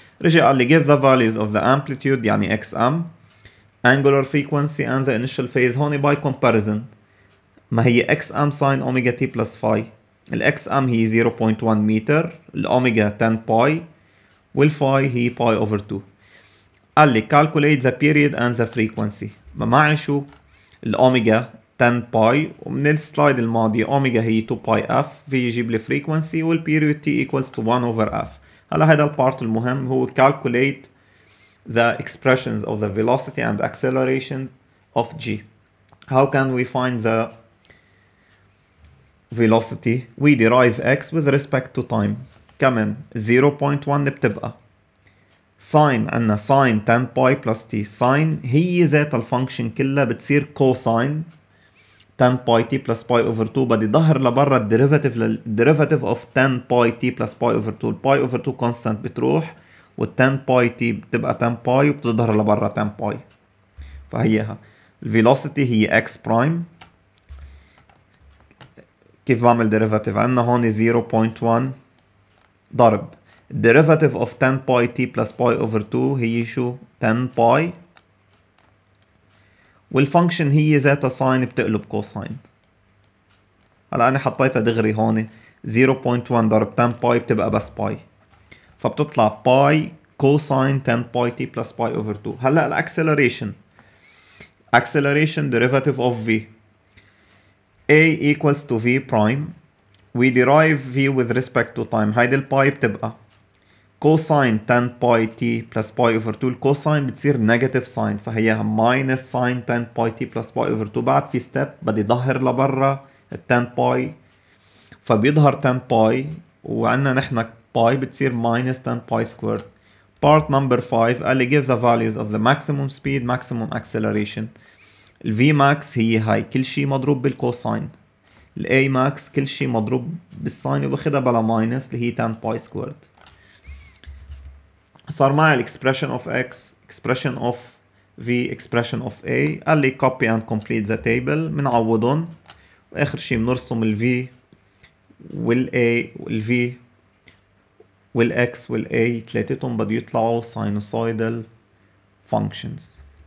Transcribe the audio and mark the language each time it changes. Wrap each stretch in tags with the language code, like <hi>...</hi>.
<ar>رجع قال لي</ar> <en>give the values of the amplitude يعني xm, angular frequency and the initial phase. هوني by comparison ما هي xm sin omega t plus phi, ال xm هي 0.1 meter, ال omega 10 pi وال phi هي pi over 2. قال لي calculate the period and the frequency.</en> <ar>ما معي شو الأوميجا 10 pi ومن السلايد الماضي أوميجا هي 2 pi f, في يجيب لي frequency والperiod</ar> <en>t equals to 1 over f. هلا هذا البارت المهم هو calculate the expressions of the velocity and acceleration of g. How can we find the velocity? We derive x with respect to time. كمان 0.1 بتبقى sin, عنا sin 10 pi plus t, sin هي ذات الفانكشن كلها بتصير cosine 10 pi t plus pi over 2,</en> <ar>بدي ظهر لبرا الديريفاتيف للديريفاتيف</ar> <en>of 10 pi t plus pi over 2, pi over 2 constant بتروح وال 10 pi t بتبقى 10 pi وبتظهر لبرا 10 pi.</en> <ar>فهيها الفيلوسيتي هي x prime. كيف بعمل ديريفاتيف؟</ar> <en>عنا هون 0.1 ضرب derivative of 10 pi t plus pi over 2 هي شو 10 pi, والfunction هي ذات sine بتقلب cosine.</en> <ar>هلا انا حطيتها دغري هون 0.1 ضرب 10 باي بتبقى بس باي، فبتطلع باي كوساين 10 باي تي بلس باي اوفر 2.</ar> <en>هلا الاكسلريشن، acceleration derivative of v a equals to v prime. We derive v with respect to time.</en> <ar>هيدي الباي بتبقى</ar> <en>cosine 10 pi t plus pi over 2. الكوساين بتصير negative sign، فهي minus sine 10 pi t plus pi over 2. بعد في step بدي ظهر لبرا 10 pi، فبيظهر 10 pi وعنا نحن pi بتصير minus 10 pi squared. Part number 5 قال لي give the values of the maximum speed, maximum acceleration.</en> <ar>ال V max هي هاي، كل شيء مضروب بالكوساين. ال A max كل شيء مضروب بالساين وبخدها بلا minus اللي هي 10 pi squared.</ar> <en>صار معي ال expression of X, expression of V, expression of A. قال لي copy and complete the table.</en> <ar>منعوضهم واخر شيء منرسم ال V وال A وال V والاكس والاي، ثلاثتهم بده يطلعوا sinusoidal functions.</ar>